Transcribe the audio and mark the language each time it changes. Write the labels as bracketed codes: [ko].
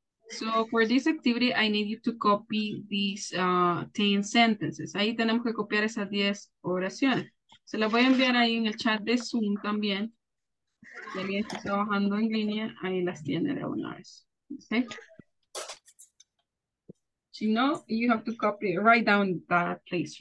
[en] So, for this activity, I need you to copy these 10 sentences. [es] Ahí tenemos que copiar esas 10 oraciones. Se las voy a enviar ahí en el chat de Zoom también. Si alguien está trabajando en línea, ahí las tiene de una vez. [en] Okay. [es] Si no, [en] you have to copy, write down that, please.